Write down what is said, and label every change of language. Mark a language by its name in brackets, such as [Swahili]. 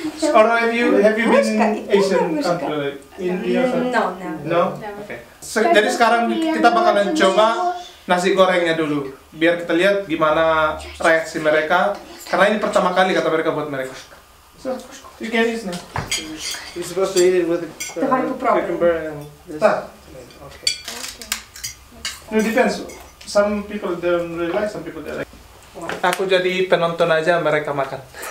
[English] Or have you been in Asian country like India? No, no. No. Okay. [Indonesian] So, jadi sekarang kita bakalan coba nasi gorengnya dulu biar kita lihat gimana reaksi mereka karena ini pertama kali kata mereka buat mereka. [English] So, you can use now. You're supposed to eat it with the cucumber and this. Okay. No defense. Some people don't really like, some people they like. [Indonesian] Aku jadi penonton aja mereka makan.